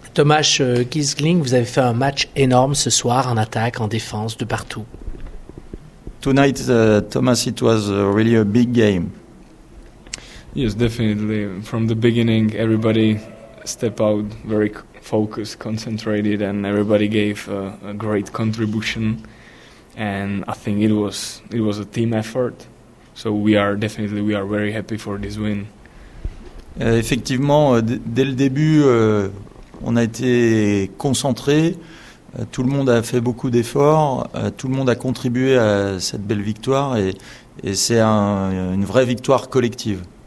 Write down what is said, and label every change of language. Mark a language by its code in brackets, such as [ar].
[fr] Thomas Gisling, vous avez fait un match énorme ce soir en attaque, en défense, de partout. [en] Tonight, Thomas, it was really a big game. Yes, definitely. From the beginning, everybody stepped out very focused, concentrated, and everybody gave a great contribution. And I think it was a team effort. So we are very happy for this win. [fr] Effectivement, dès le début, on a été concentré. Tout le monde a fait beaucoup d'efforts. Tout le monde a contribué à cette belle victoire, et c'est une vraie victoire collective.